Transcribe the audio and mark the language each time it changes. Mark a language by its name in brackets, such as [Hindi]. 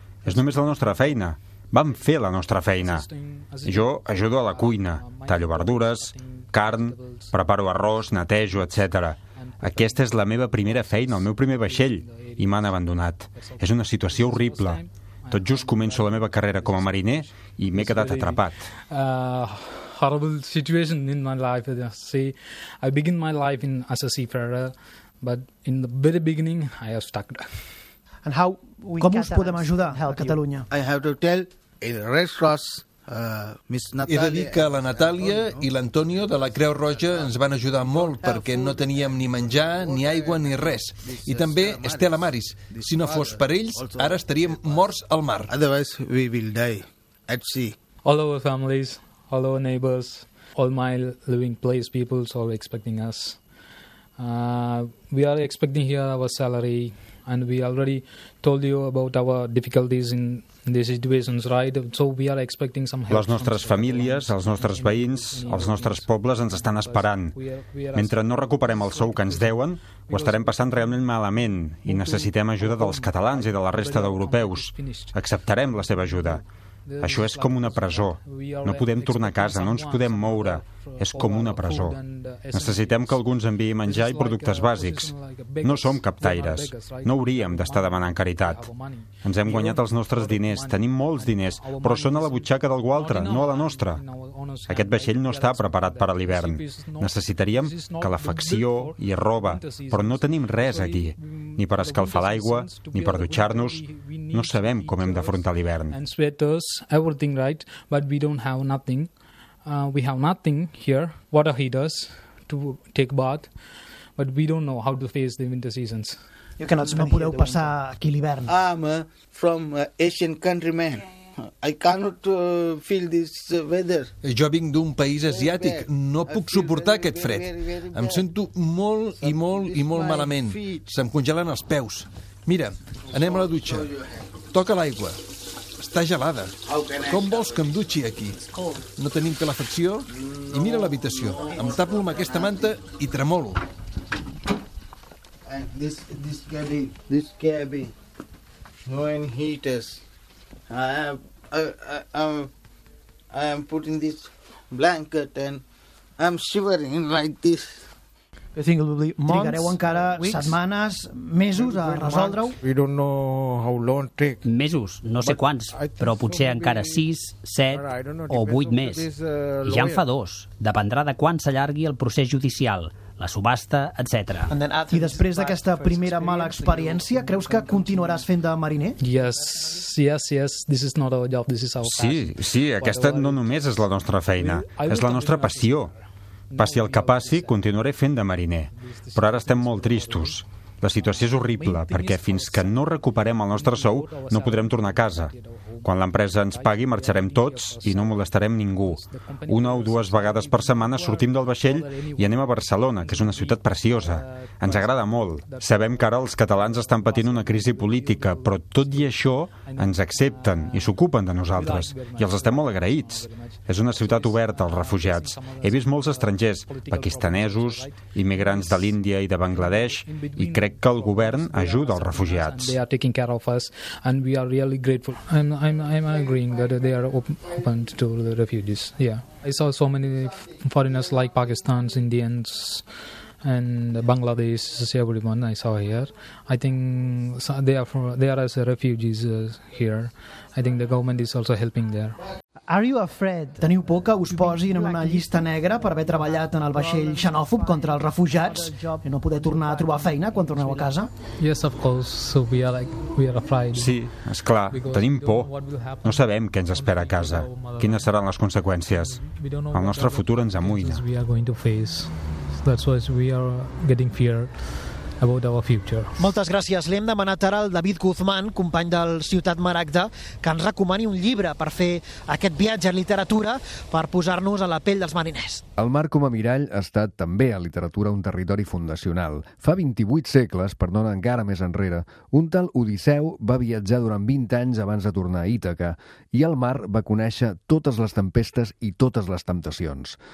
[Catalan] És només la nostra feina. Vam fer la nostra feina. Jo ajudo a la cuina, tallo verdures, carn, preparo arròs, netejo, etc. Aquesta és la meva primera feina, el meu primer vaixell, i m'han abandonat. És una situació horrible. Tot just començo la meva carrera com a mariner i m'he quedat atrapat. [English] Horrible situation in my life. I begin my life in as a seafarer, but in the very beginning I was stuck. And how we [Catalan] com us podem ajudar a Catalunya? [English] I have to tell in Red Cross. [Catalan] He de dir que la Natàlia i l'Antonio de la Creu Roja ens van ajudar molt perquè no teníem ni menjar, ni aigua, ni res. I també Estela Maris. Si no fos per ells, ara estaríem morts al mar. [English] Otherwise, we will die at sea. All our families, all our neighbors, all my living place people are expecting us. We are expecting here our salary and we already told you about our difficulties in [Catalan] Les nostres famílies, els nostres veïns, els nostres pobles ens estan esperant. Mentre no recuperem el sou que ens deuen, ho estarem passant realment malament i necessitem ajuda dels catalans i de la resta d'europeus. Acceptarem la seva ajuda. Això és com una presó. No podem tornar a casa, no ens podem moure. És com una presó. Necessitem que algú ens enviï menjar i productes bàsics. No som captaires. No hauríem d'estar demanant caritat. Ens hem guanyat els nostres diners. Tenim molts diners, però són a la butxaca d'algú altre, no a la nostra. Aquest vaixell no està preparat per a l'hivern. Necessitaríem calefacció i roba, però no tenim res aquí. Ni per escalfar l'aigua, ni per dutxar-nos. No sabem com hem d'afrontar l'hivern. [English] Everything right, but we don't have nothing. We have nothing here, water heaters to take bath, but we don't know how to face the winter seasons. You cannot spend here the winter. [Catalan] Aquí l'hivern. [English] I'm from Asian countryman. I cannot feel this weather. [Catalan] Jo vinc d'un país asiàtic. No puc suportar aquest fred. Em sento molt i molt i molt malament. Se'm congelen els peus. Mira, anem a la dutxa. Toca l'aigua. Està gelada. Com vols que em dutxi aquí? No tenim calefacció? I mira l'habitació. Em tapo amb aquesta manta i tremolo. [English] This cabin. No any heaters. I am putting this blanket and I'm shivering like this. I think it will be months. [Catalan] Trigareu encara [English] weeks, [Catalan] setmanes, mesos a resoldre-ho? [English] We don't know how long take. [Catalan] Mesos, no sé quants, però potser encara 6, 7 o 8 més. I ja en fa dos. Dependrà de quan s'allargui el procés judicial, la subhasta, etc. I després d'aquesta primera mala experiència, creus que continuaràs fent de mariner? [English] Yes, yes, yes. This is not a job, this is our passion. [Catalan] Sí, sí, aquesta no només és la nostra feina, és la nostra passió. Passi el que passi, continuaré fent de mariner. Però ara estem molt tristos. La situació és horrible, perquè fins que no recuperem el nostre sou, no podrem tornar a casa. Quan l'empresa ens pagui, marxarem tots i no molestarem ningú. Una o dues vegades per setmana sortim del vaixell i anem a Barcelona, que és una ciutat preciosa. Ens agrada molt. Sabem que ara els catalans estan patint una crisi política, però tot i això ens accepten i s'ocupen de nosaltres. I els estem molt agraïts. És una ciutat oberta als refugiats. He vist molts estrangers, pakistanesos, immigrants de l'Índia i de Bangladesh, i crec que el govern ajuda els refugiats. [English] They are taking care of us and we are really grateful. I'm agreeing that they are open to the refugees. Yeah. I saw so many foreigners like Pakistanis, Indians and Bangladeshis, everyone I saw here. I think they are as refugees here. I think the government is also helping there. Are you afraid? [Catalan] Teniu por que us posin en una llista negra per haver treballat en el vaixell xenòfob contra els refugiats i no poder tornar a trobar feina quan torneu a casa? [English] Yes, of course. So we are afraid. [Catalan] Sí, és clar. Tenim por. No sabem què ens espera a casa. Quines seran les conseqüències? El nostre futur ens amoïna. [English] We are going to face. That's why we are getting fear about our future. [Catalan] Moltes gràcies. L'hem demanat ara al David Guzmán, company del Ciutat Maragda, que ens recomani un llibre per fer aquest viatge a literatura per posar-nos a la pell dels mariners. El mar com a mirall ha estat també a literatura un territori fundacional. Fa 28 segles, per no anar encara més enrere, un tal Odisseu va viatjar durant 20 anys abans de tornar a Ítaca i el mar va conèixer totes les tempestes i totes les temptacions.